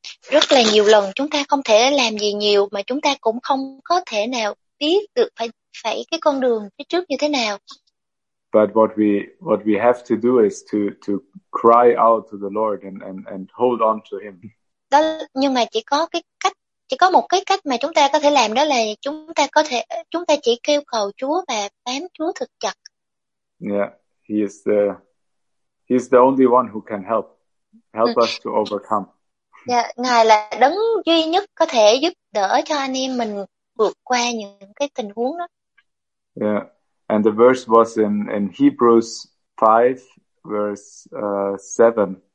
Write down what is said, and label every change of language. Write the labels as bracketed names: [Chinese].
[Vietnamese] Rất là nhiều lần chúng ta không thể làm gì nhiều, mà chúng ta cũng không có thể nào biết được phải phải cái con đường phía trước như thế nào. [English] But what we have to do is to cry out to the Lord and hold on to him. [Vietnamese] Nhưng mà chỉ có một cái cách mà chúng ta có thể làm, đó là chúng ta chỉ kêu cầu Chúa và bám Chúa thật chặt. [English] He's the only one who can help us to overcome. [Vietnamese] Ngài là đấng duy nhất có thể giúp đỡ cho anh em mình vượt qua những cái tình huống đó. [English] And the verse was in Hebrews 5, verse 7,